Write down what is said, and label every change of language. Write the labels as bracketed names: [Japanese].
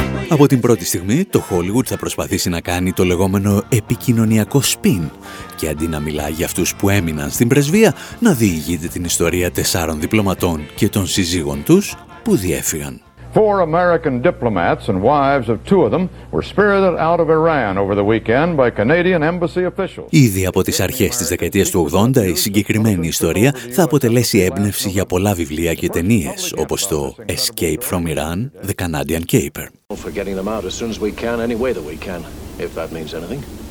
[Greek] Από την πρώτη στιγμή, το Hollywood θα προσπαθήσει να κάνει το λεγόμενο επικοινωνιακό spin και αντί να μιλά για αυτούς που έμειναν στην πρεσβεία, να διηγείται την ιστορία τεσσάρων διπλωματών και των σύζυγων τους που διέφυγαν. [English] Four American diplomats and wives of two of them were spirited out of Iran over the weekend by Canadian embassy officials. [Greek] Ήδη από τις αρχές της δεκαετίας του 80, η συγκεκριμένη ιστορία θα αποτελέσει έμπνευση για πολλά βιβλία και ταινίες, όπως το Escape from Iran, The Canadian Caper. [English] For getting them out as soon as we can, any way that we can, if that means anything.